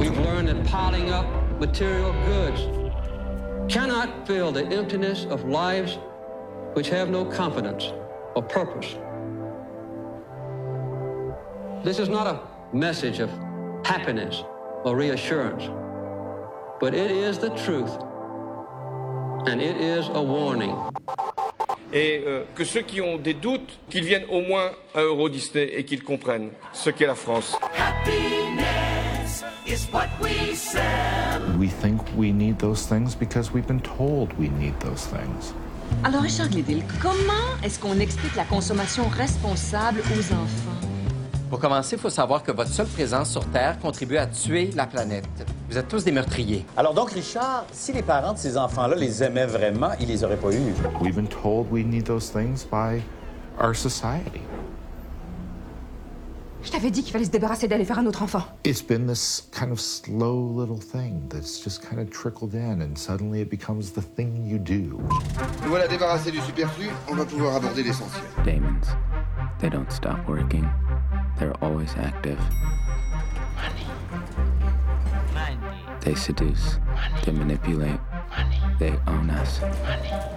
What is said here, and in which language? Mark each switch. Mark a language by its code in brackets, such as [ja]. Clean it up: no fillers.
[en] We've learned that piling up material goods cannot fill the emptiness of lives which have no confidence or purpose. This is not a message of happiness or reassurance, but it is the truth, and it is a warning. [fr] Et que ceux qui ont des doutes, qu'ils viennent au moins à Euro Disney et qu'ils comprennent ce qu'est la France. [en] Happiness is what we sell. We think we need those things because we've been told we need those things. [fr] Alors Richard Liddell, comment est-ce qu'on explique la consommation responsable aux enfants? Pour commencer, il faut savoir que votre seule présence sur Terre contribue à tuer la planète. Vous êtes tous des meurtriers. Alors donc, Richard, si les parents de ces enfants-là les aimaient vraiment, ils les auraient pas eus. [en] We've been told we need those things by our society. [fr] Je t'avais dit qu'il fallait se débarrasser d'aller faire un autre enfant. [en] It's been this kind of slow little thing that's just kind of trickled in and suddenly it becomes the thing you do. [fr] Nous voilà débarrassés du superflu, on va pouvoir aborder l'essentiel. [en] Daemons, they don't stop working. They're always active. Money. Money. They seduce. Money. They manipulate. Money. They own us. Money.